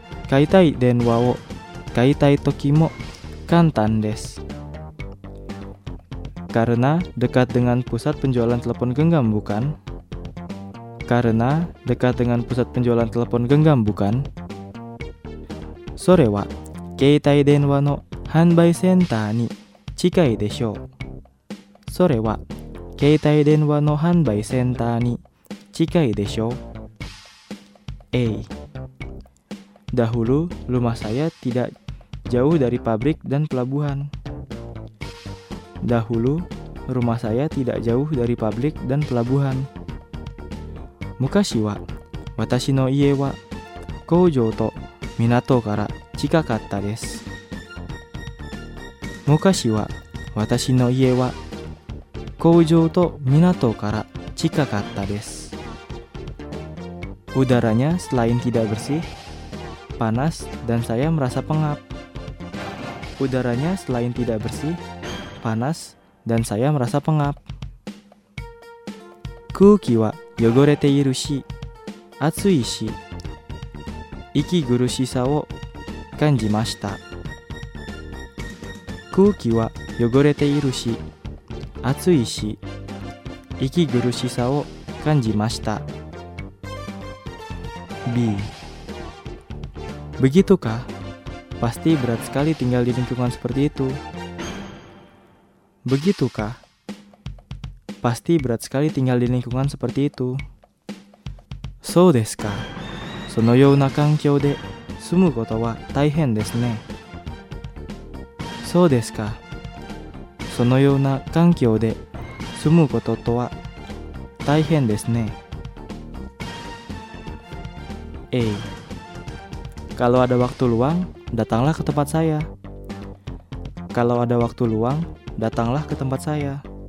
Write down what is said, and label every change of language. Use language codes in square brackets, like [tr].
[ja] Kaitai denwa o kaitai toki mo kantan desu. [id] Karena dekat dengan pusat penjualan telepon genggam bukan? Karena dekat dengan pusat penjualan telepon genggam bukan? [ja] Sore wa. 携帯電話の販売センターに近いでしょう。それは携帯電話の販売センターに近いでしょう。 A. [id] Dahulu rumah saya tidak jauh dari pabrik dan pelabuhan. Dahulu rumah saya tidak jauh dari pabrik dan pelabuhan. [ja] Mukashi wa watashi no ie wa koujou to minato kara. 近かったです。昔は私の家は工場と港から近かったです。 [id] Udaranya selain tidak bersih, panas dan saya merasa pengap. Udaranya selain tidak bersih, panas dan saya merasa pengap. [ja] 空気は汚れているし、暑いし、息苦しさを感じました。空気は汚れているし、暑いし、息苦しさを感じました。 [id] B begitu kah? Pasti berat sekali tinggal di lingkungan seperti itu. Begitu kah? Pasti berat sekali tinggal di lingkungan seperti itu. [ja] そうですか。そのような環境で住むことは大変ですね。そうですか。そのような環境で住むこととは大変ですね。 A. [id] Kalau ada waktu luang, datanglah ke tempat saya. Kalau ada waktu luang, datanglah ke tempat saya.